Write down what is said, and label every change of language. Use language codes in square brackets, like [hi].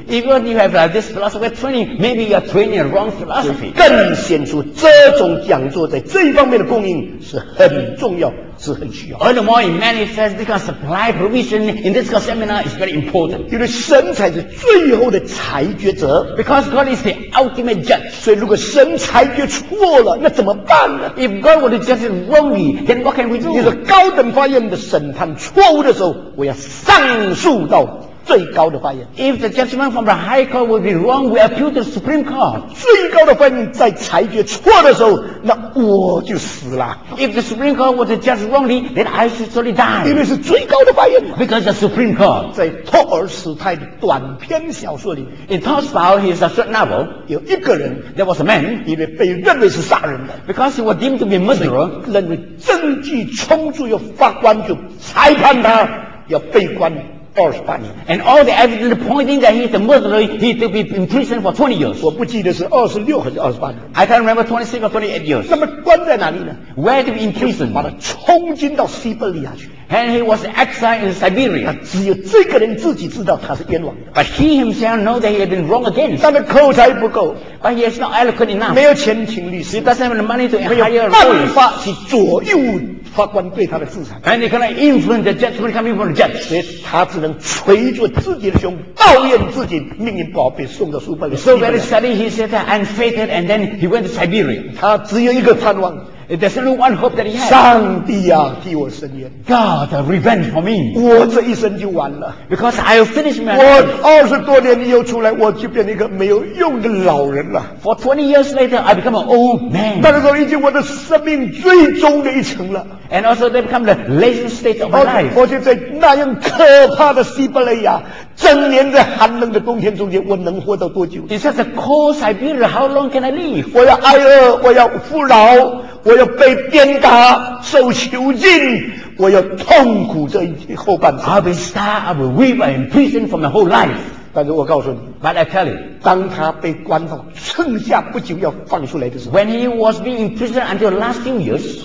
[en] Even you have this philosophy training, maybe you are training a wrong philosophy. [zh] 更显出这种讲座在这一方面的供应是很重要。是很需要。 [en] All the more it manifests because supply provision in this seminar is very important. [zh] 因为神才是最后的裁决者。 [en] Because God is the ultimate judge. [zh] 所以如果神裁决错了，那怎么办呢？ [en] If God were to judge it wrongly, then what can we do? [zh] 你说高等法院的审判错误的时候，我要上诉到最高的法院。 [en] If the judgment from the high court would be wrong, we appeal to the Supreme Court. [zh] 最高的法院在裁决错的时候，那我就死了。 [en] If the Supreme Court would judge wrongly, then I should surely die. [zh] 因为是最高的法院。 [en] Because the Supreme Court. [zh] 在托尔斯泰的短篇小说里 [en] ，In Tolstoy, his short novel, [zh] 有一个人 [en] ，There was a man, [zh] 因为被认为是杀人的 [en] ，Because he was deemed to be murderer, [zh] 认为证据充足，要法官就裁判他，要被关。 [en] And all the evidence pointing that he's a murderer, he to be imprisoned for 20 years. [zh] 我不记得是26还是28年。 [en] I can't remember 26 or 28 years. [zh] 那么关在哪里呢？ [en] Where to be imprisoned? [zh] 把他冲进到西伯利亚去。 [en] And he was exiled in Siberia. [zh] 只有这个人自己知道他是冤枉的。 [en] But he himself knows that he had been wrong against. [zh] 但是口才不够。 [en] But he is not eloquent enough. [zh] 没有钱请律师。 [en] He doesn't have the money to hire a lawyer. [zh] 没有办法去左右法官对他的制裁。 [en] And he cannot influence the judgment coming from the judge. [zh] 所以他只能捶着自己的胸，抱怨自己命运不好，被送到苏伯利亚。 [en] So very sadly, he said that I'm fated, and then he went to Siberia. [zh] 他只有一个盼望。 [en] There's only one hope that he has. [zh] 上帝啊，替我伸冤。 [en] God, revenge for me. [zh] 我这一生就完了。 [en] Because I'll finish my life. [zh] 我二十多年以后出来，我就变成一个没有用的老人了。 [en] For 20 years later, I become an old man. [zh] 那个时候已经我的生命最终的一程了。 [en] And also they become the latest state of my life. [zh] 而且在那样可怕的西伯利亚，整年在寒冷的冬天中间，我能活到多久？ [en] In such a cold Siberia, how long can I live? [zh] 我要挨饿，我要服劳，我要被鞭打，受囚禁，我要痛苦这一后半生。 [en] I've been starved, I've been weeping in prison for my whole life. [zh] 但是我告诉你 [en] ，But I tell you, [zh] 当他被关到剩下不久要放出来的时候 [en] ，When he was being imprisoned until the last few years,